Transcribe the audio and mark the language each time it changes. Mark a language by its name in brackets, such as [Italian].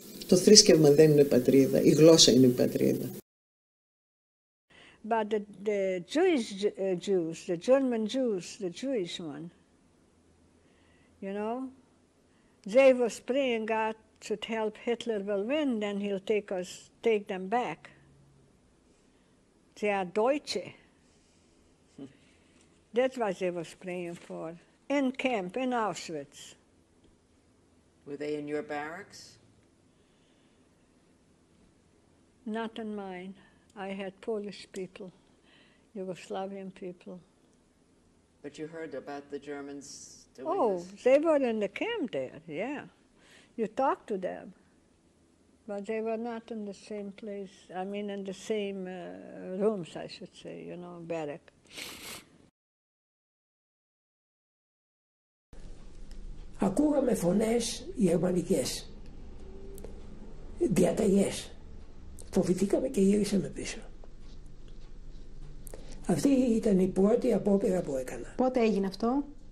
[Greek] Το θρήσκευμα δεν είναι πατρίδα, η γλώσσα είναι η πατρίδα. [English] But the Jewish Jews, the German Jews, the Jewish one, you know, they were praying God to help Hitler will win, then he'll take us, take them back. They are Deutsche. That's what they were praying for. In camp, in Auschwitz. Were they in your barracks? Not in mine. I had Polish people, Yugoslavian people. But you heard about the Germans doing this? Oh, they were in the camp there, yeah. You talked to them. But they were not in the same place, I mean in the same rooms, I should say, you know, barrack. [Greek] Ακούγαμε φωνές γερμανικές, διαταγές. Φοβηθήκαμε και γύρισαμε πίσω. Αυτή ήταν η πρώτη απόπειρα που έκανα. Πότε έγινε αυτό?